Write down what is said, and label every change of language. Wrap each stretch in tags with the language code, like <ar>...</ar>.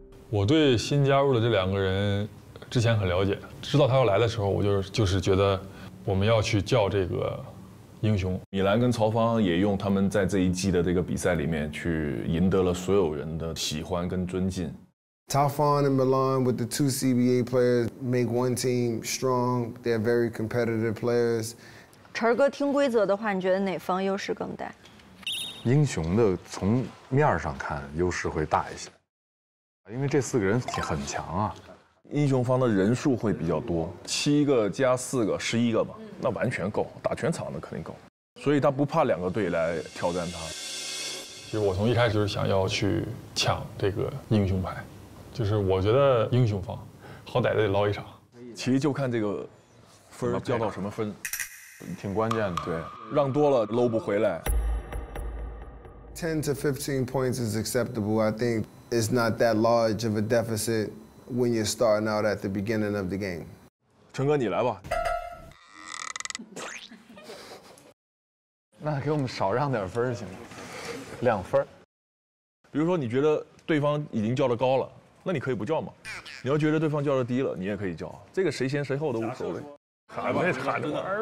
<zh>我对新加入的这两个人之前很了解，知道他要来的时候，我就是觉得我们要去叫这个英雄。米兰跟乔方也用他们在这一季的这个比赛里面去赢得了所有人的喜欢跟尊敬。</zh> <en>Taufan and Milan with the two CBA players make one team strong. They're very competitive players.</en> <zh>陈哥听规则的话，你觉得哪方优势更大？英雄的从面上看优势会大一些，因为这四个人很强啊。英雄方的人数会比较多，七个加四个，十一个吧，那完全够打全场的，肯定够。所以他不怕两个队来挑战他。其实我从一开始想要去抢这个英雄牌。就是我觉得英雄方好歹得捞一场，其实就看这个分交到什么分，挺关键的。对，让多了搂不回来。</zh> <en>10 to 15 points is acceptable. I think it's not that large of a deficit when you're starting out at the beginning of the game.</en> <zh>陈哥，你来吧。那给我们少让点分行吗？两分。比如说，你觉得对方已经叫的高了。那你可以不叫吗？你要觉得对方叫的低了，你也可以叫。这个谁先谁后都无所谓。喊吧，喊着呢。</zh>